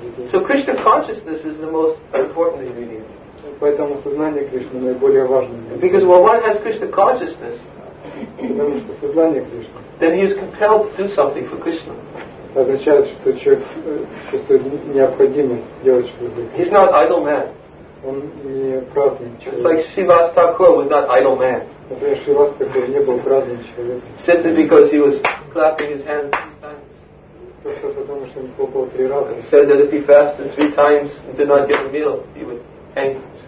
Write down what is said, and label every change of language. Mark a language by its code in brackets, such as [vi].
[en] So Krishna consciousness is the most important ingredient. [ru] Поэтому сознание Кришны наиболее важным. [en] Because when one has Krishna consciousness, [ru] потому что сознание Кришны, [en] then he is compelled to do something for Krishna. [ru] Означает, что человек чувствует необходимость делать что-то. [en] He's not idle man. [ru] Он не праздный человек. [en] It's like Shivas Thakur was not idle man. [ru] Например, Шивас Такур не был праздным человеком. [en] Simply because he was clapping his hands. And said that if he fasted three times and did not get a meal, he would hang.